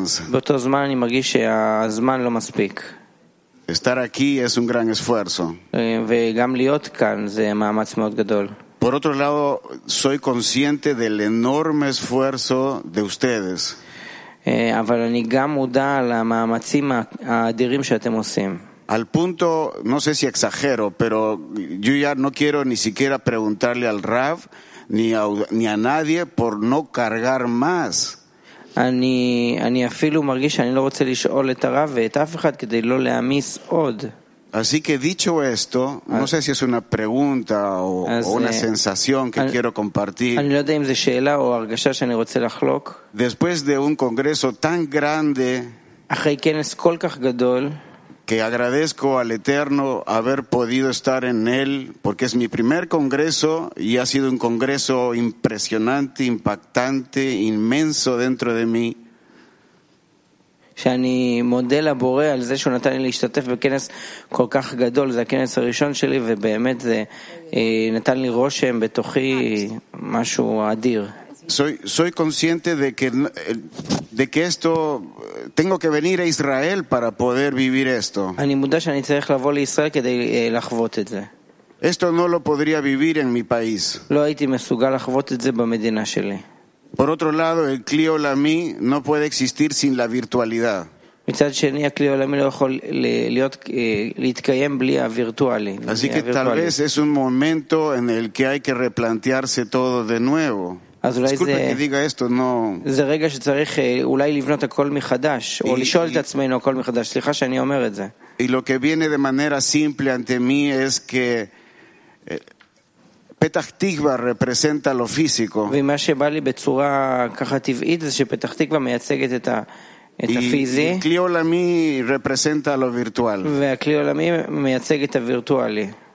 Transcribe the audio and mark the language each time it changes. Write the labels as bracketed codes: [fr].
[he] באותו זמן אני מרגיש שהזמן לא מספיק. [es] Estar aquí es un gran esfuerzo. [he] וגם להיות כאן זה מאמץ מאוד גדול. [es] Por otro lado, soy consciente del enorme esfuerzo de ustedes. [he] אבל אני גם מודע למאמצים האדירים שאתם עושים. [es] Al punto, no sé si exagero, pero yo ya no quiero ni siquiera preguntarle al Rav ni a nadie por no cargar más. [he] אני אפילו מרגיש שאני לא רוצה לשאול את הרב ואת אף אחד כדי לא להעמיס עוד. [es] Así que dicho esto, no sé si es una pregunta o una sensación que quiero compartir. [he] אני לא יודע אם זה שאלה או הרגשה שאני רוצה לחלוק. [es] Después de un congreso tan grande, [he] אחרי כנס כל כך גדול, [es] que agradezco al Eterno haber podido estar en él, porque es mi primer congreso y ha sido un congreso impresionante, impactante, inmenso dentro de mí. [he] שאני מודה לבורא על זה שהוא נתן לי להשתתף בכנס כל כך גדול, זה הכנס הראשון שלי, ובאמת זה נתן לי רושם בתוכי משהו אדיר. [es] Soy consciente de que esto tengo que venir a Israel para poder vivir esto. [he] אני מודע שאני צריך לבוא לישראל כדי לחוות את זה. [es] Esto no lo podría vivir en mi país. [he] לא הייתי מסוגל לחוות את זה במדינה שלי. [es] Por otro lado, el CLI Olami no puede existir sin la virtualidad. [he] מצד שני, הכלי העולמי לא יכול להיות, להתקיים בלי הווירטואלי. [es] Así que tal vez es un momento en el que hay que replantearse todo de nuevo. [he] אז אולי זה, [es] que diga esto, no... [he] זה רגע שצריך אולי לבנות הכל מחדש, או לשאול את עצמנו הכל מחדש. סליחה שאני אומר את זה. [es] Y lo que viene de manera simple ante mí es que Petach Tikva representa lo físico. [he] ומה שבא לי בצורה ככה טבעית זה שפתח תקווה מייצגת את הפיזי. והכלי עולמי [es] representa lo virtual. [he] והכלי עולמי מייצג את הווירטואלי.